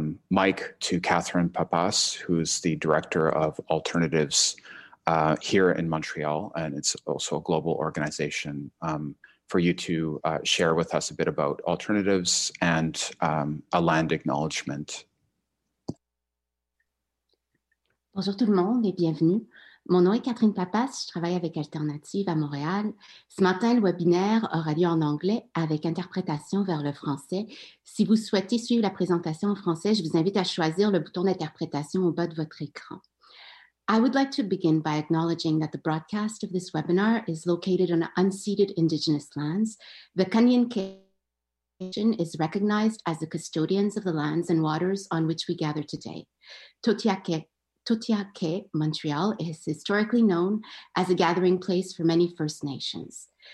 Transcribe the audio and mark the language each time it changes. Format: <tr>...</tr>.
<en>mic to Catherine Papas, who's the director of Alternatives here in Montreal, and it's also a global organization, for you to share with us a bit about Alternatives and a land acknowledgement.</en> <fr>Bonjour tout le monde et bienvenue. Mon nom est Catherine Papas, je travaille avec Alternatives à Montréal. Ce matin, le webinaire aura lieu en anglais avec interprétation vers le français. Si vous souhaitez suivre la présentation en français, je vous invite à choisir le bouton d'interprétation au bas de votre écran.</fr> <en>I would like to begin by acknowledging that the broadcast of this webinar is located on unceded Indigenous lands. The Kanien Nation is recognized as the custodians of the lands and waters on which we gather today. Totiake, Montreal, is historically known as a gathering place for many First Nations.</en>